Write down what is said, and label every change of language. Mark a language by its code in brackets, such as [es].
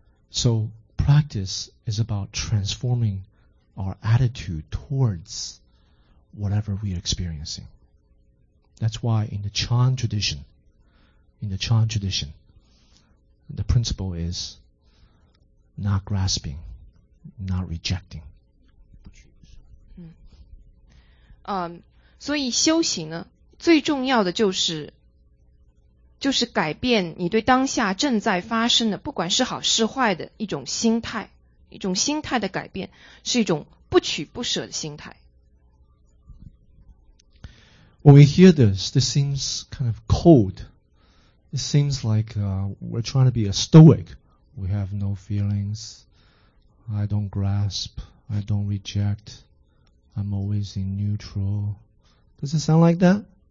[en] So practice is about transforming our attitude towards whatever we are experiencing. That's why in the Chan tradition, the principle is not grasping, not rejecting. [zh] 所以修行呢，最重要的就是改变你对当下正在发生的，不管是好是坏的一种心态。一种心态的改变是一种不取不舍的心态。 [en] When we hear this, this seems kind of cold. It seems like we're trying to be a stoic. We have no feelings. I don't grasp. I don't reject. I'm always in neutral. Does it sound like that?